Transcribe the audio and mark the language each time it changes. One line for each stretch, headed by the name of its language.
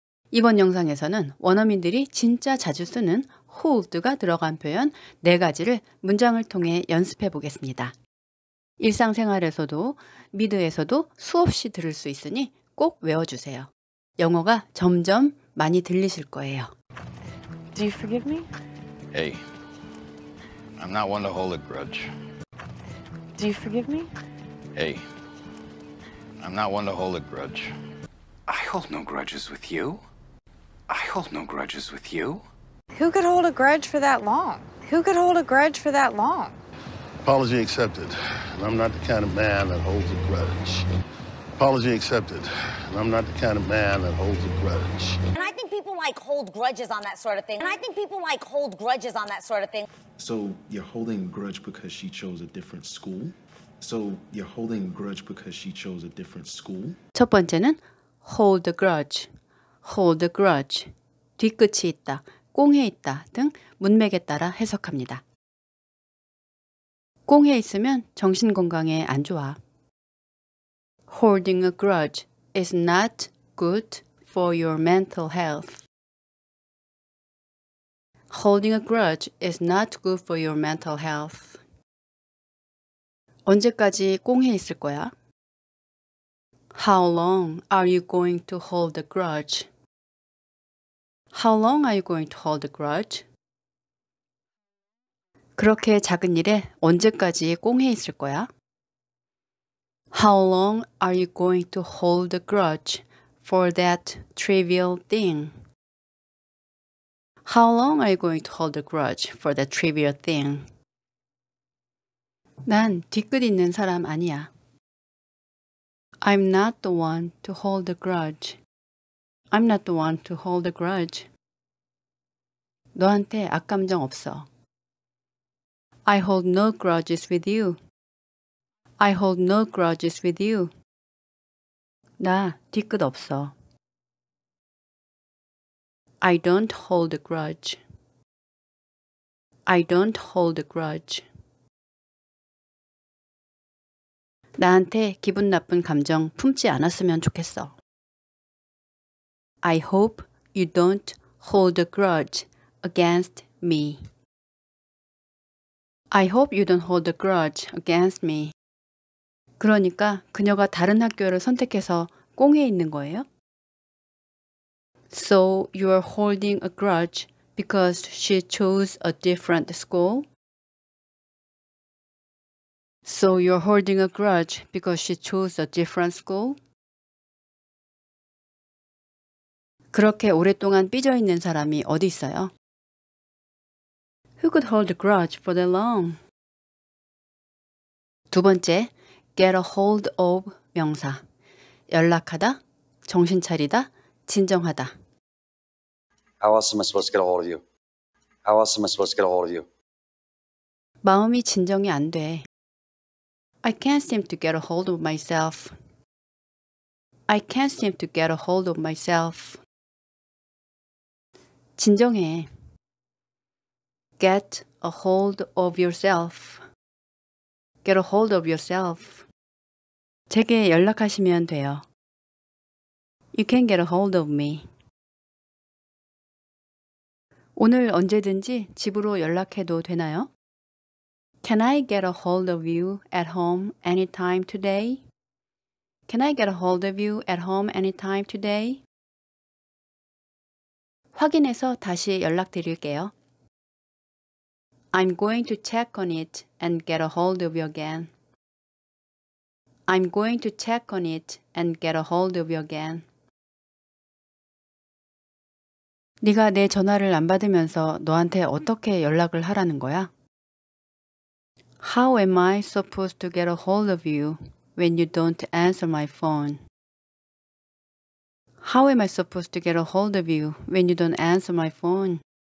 Korean: 이번 영상에서는 원어민들이 진짜 자주 쓰는 홀드가 들어간 표현 네 가지를 문장을 통해 연습해 보겠습니다. 일상생활에서도 미드에서도 수없이 들을 수 있으니 꼭 외워주세요. 영어가 점점 많이 들리실 거예요.
English: Do you forgive me? Hey, I'm not one to hold a grudge. Do you forgive me? Hey, I'm not one to hold a grudge. I hold no grudges with you. I hold no grudges with you. Who could hold a grudge for that long? Who could hold a grudge for that long? Apology accepted. And I'm not the kind of man that holds a grudge. Apology accepted. And I'm not the kind of man that holds a grudge. And I think people like hold grudges on that sort of thing. And I think people like hold grudges on that sort of thing. So you're holding a grudge because she chose a different school? So you're holding a grudge because she chose a different school?
Korean: 첫 번째는
English: hold a grudge. Hold a grudge.
Korean: 뒤끝이 있다, 꽁해 있다 등 문맥에 따라 해석합니다. 꽁해 있으면 정신건강에 안 좋아.
English: Holding a grudge is not good for your mental health. Holding a grudge is not good for your mental health.
Korean: 언제까지 꽁해 있을 거야?
English: How long are you going to hold a grudge? How long are you going to hold a grudge?
Korean: 그렇게 작은 일에 언제까지 꽁해 있을 거야?
English: How long are you going to hold a grudge for that trivial thing? How long are you going to hold a grudge for that trivial thing?
Korean: 난 뒤끝 있는 사람 아니야.
English: I'm not the one to hold a grudge. I'm not the one to hold a grudge.
Korean: 너한테 악감정 없어.
English: I hold no grudges with you. I hold no grudges with you.
Korean: 나 뒤끝 없어.
English: I don't hold a grudge. I don't hold a grudge.
Korean: 나한테 기분 나쁜 감정 품지 않았으면 좋겠어.
English: I hope you don't hold a grudge against me. I hope you don't hold a grudge against me.
Korean: 그러니까 그녀가 다른 학교를 선택해서 꽁해 있는 거예요?
English: So you are holding a grudge because she chose a different school? So you're holding a grudge because she chose a different school?
Korean: 그렇게 오랫동안 삐져 있는 사람이 어디 있어요?
English: Who could hold a grudge for that long?
Korean: 두 번째,
English: get a hold of
Korean: 명사. 연락하다, 정신 차리다, 진정하다.
English: How else am I supposed to get a hold of you? How else am I supposed to get a hold of you?
Korean: 마음이 진정이 안 돼.
English: I can't seem to get a hold of myself. I can't seem to get a hold of myself.
Korean: 진정해.
English: Get a hold of yourself. Get a hold of yourself.
Korean: 제게 연락하시면 돼요.
English: You can get a hold of me.
Korean: 오늘 언제든지 집으로 연락해도 되나요?
English: Can I get a hold of you at home anytime today? Can I get a hold of you at home anytime today?
Korean: 확인해서 다시 연락드릴게요.
English: I'm going to check on it and get a hold of you again. I'm going to check on it and get a hold of you again.
Korean: 네가 내 전화를 안 받으면서 너한테 어떻게 연락을 하라는 거야?
English: How am I supposed to get a hold of you when you don't answer my phone? How am I supposed to get a hold of you when you don't answer my phone?